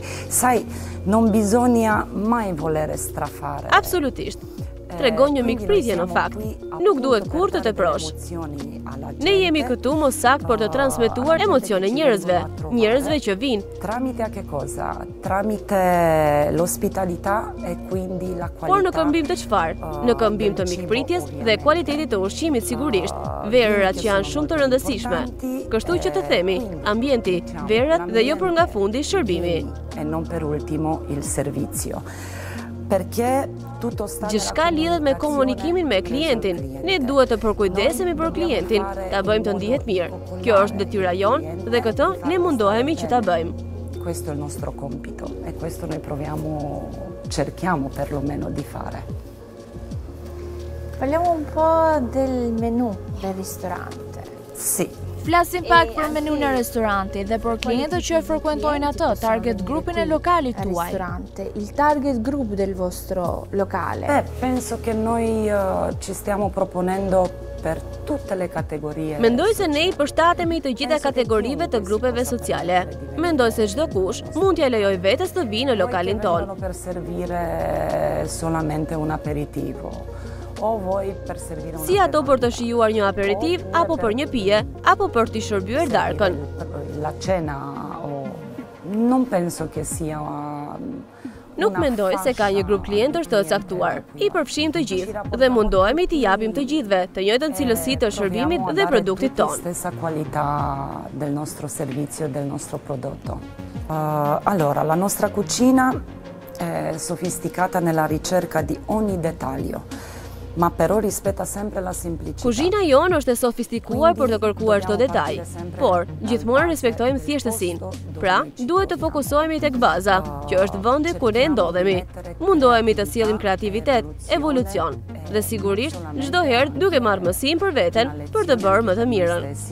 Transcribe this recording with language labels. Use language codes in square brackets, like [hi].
[it] Sai, non bisogna mai volere strafare. [sq] Absolutisht. Tregon një mikpritje në fakt. Nuk duhet kur të teprosh. Ne jemi këtu më sakt për të transmetuar emocione njerëzve, njerëzve që vinë. [it] Tramite a che cosa? Tramite l'ospitalità e quindi la qualità. [sq] Por në këmbim të çfarë? Në këmbim të mikpritjes dhe cilësisë të ushqimit sigurisht. Verrat që janë shumë të rëndësishme. Kështu që të themi, ambienti, verrat dhe jo përngafundi shërbimi. [it] E non per ultimo il servizio. Perché tutto sta [sq] gjithçka lidhet me komunikimin me klientin. Ne duhet të përkujdesemi për klientin, ta bëjmë të ndihet mirë. Kjo është detyra jonë dhe këtë ne mundohemi që ta bëjmë. [it] Questo è il nostro compito e questo noi proviamo, cerchiamo perlomeno di fare. Parliamo un po' del menù del ristorante. Sì. [sq] Flasim pak për menu në restoranti dhe për klientët që e frekuentojnë atë, target grupin e lokalit tuaj. [it] Restorante, il target group del vostro locale. Penso che noi ci stiamo proponendo per tutte le categorie. [sq] Mendoj se ne i përshtatemi të gjitha kategorive të grupeve sociale. Mendoj se çdo kush mund t'ia lejoj vetes të vinë në lokalin tonë. [it] Non per servire solamente un aperitivo. [sq] Si ato për të shijuar një aperitiv, apo për një pije, apo për t'i shërbyer darkën. [it] La cena, non penso che sia una [sq] nuk mendoj se ka një grup klientësh të caktuar. I përfshim të gjithë dhe mundohemi t'i japim të gjithve të njëjtën cilësi të shërbimit dhe produktit tonë. [it] Stessa qualità del nostro servizio, del nostro prodotto. Allora, la nostra cucina è sofisticata nella ricerca di ogni dettaglio. Ma però rispetta sempre la semplicità. [sq] Kuzhina jonë është e sofistikuar për të kërkuar çdo detaj, por gjithmonë respektojmë thjeshtësinë. Pra, duhet të fokusohemi tek baza, që është vendi ku ne ndodhemi. Mundohemi të sjellim kreativitet, evolucion dhe sigurisht çdo herë duke marrë mësim për veten për të bërë më të mirën.